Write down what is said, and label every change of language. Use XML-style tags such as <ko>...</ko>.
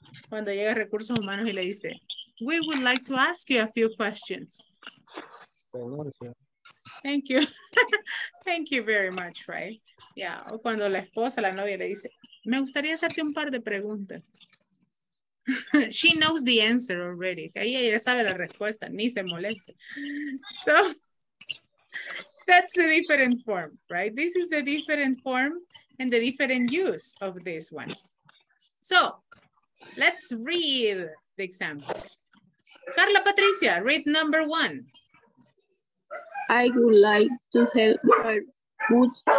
<es>Cuando llega Recursos Humanos y le dice,</es> <en>we would like to ask you a few questions. Thank you. Thank you very much, right?</en> <es>Yeah, o cuando la esposa, la novia le dice, me gustaría hacerte un par de preguntas.</es> <en>She knows the answer already.</en> <es>Ahí ella sabe la respuesta, ni se moleste.</es> <en>So, that's a different form, right? This is the different form and the different use of this one. So, let's read the examples. Carla Patricia, read number one. I would like to help her, but I can't.</en>